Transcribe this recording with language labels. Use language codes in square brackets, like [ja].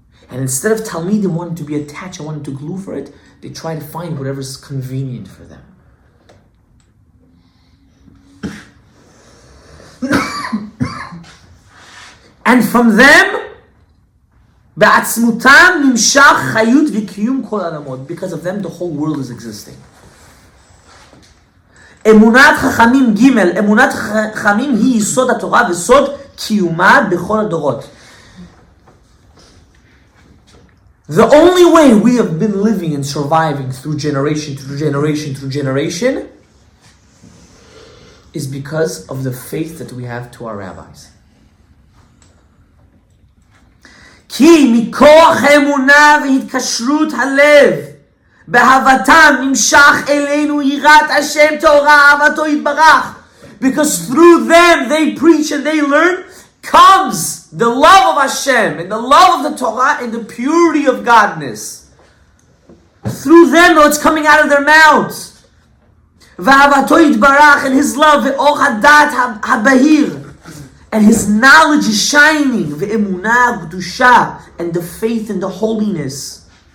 [en] And instead of Talmidim wanting to be attached and wanting to glue for it, they try to find whatever's convenient for them. And from them, [he] Be'atzmutam nimshach chayut v'kiyum kol alamot. [en] Because of them, the whole world is existing. [he] אמונת חכמים גימל, אמונת חכמים היא יסוד התורה וסוד קיומה בכל הדורות. [en] The only way we have been living and surviving through generation, through generation, through generation is because of the faith that we have to our rabbis. [he] כי מכוח אמונה והתקשרות הלב בהבתם נמשך אלינו יראת השם תורה אהבתו יתברך. [en] Because through them they preach and they learn comes the love of Hashem and the love of the Torah and the purity of Godness. Through them, it's coming out of their mouths. [he] ואהבתו יתברך [en] and his love [he] ואור הדעת הבהיר [en] and his knowledge is shining [he] ואמונה קדושה [en] and the faith and the holiness.